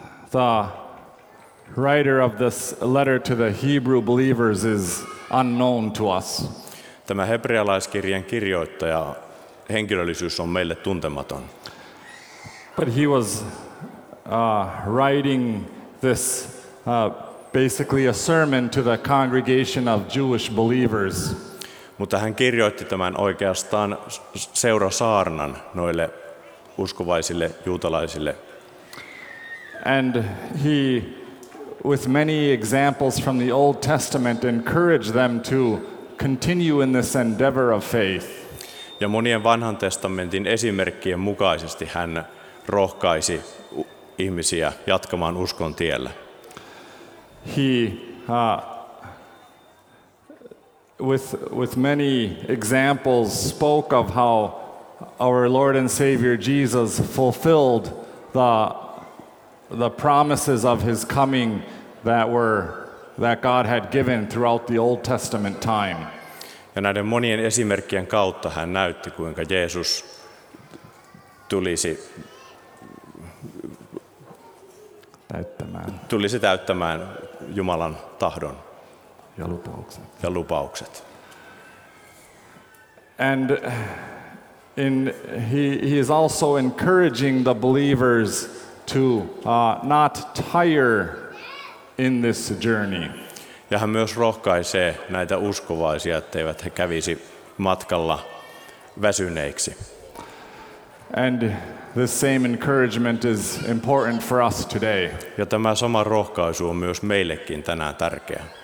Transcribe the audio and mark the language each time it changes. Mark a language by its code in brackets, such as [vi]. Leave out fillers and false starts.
[en] The writer of this letter to the Hebrew believers is unknown to us. [fi] Tämä hebrealaiskirjan kirjoittaja henkilöllisyys on meille tuntematon. [en] But he was writing this basically a sermon to the congregation of Jewish believers. [fi] Mutta hän kirjoitti tämän oikeastaan seurasaarnan noille uskovaisille juutalaisille. [en] And he, with many examples from the Old Testament, encouraged them to continue in this endeavor of faith. [fi] Ja monien vanhan testamentin esimerkkien mukaisesti hän rohkaisi ihmisiä jatkamaan uskon tiellä. [en] He, with many examples, spoke of how our Lord and Savior Jesus fulfilled the the promises of his coming that God had given throughout the Old Testament time. [fi] Ja näiden monien esimerkkien kautta hän näytti, kuinka Jeesus tulisi täyttämään Jumalan tahdon ja lupaukset. [en] And he is also encouraging the believers to not tire in this journey. [fi] Ja hän myös rohkaisee näitä uskovaisia, etteivät he kävisi matkalla väsyneiksi. [en] And the same encouragement is important for us today. [fi] Ja tämä sama rohkaisu on myös meillekin tänään tärkeä.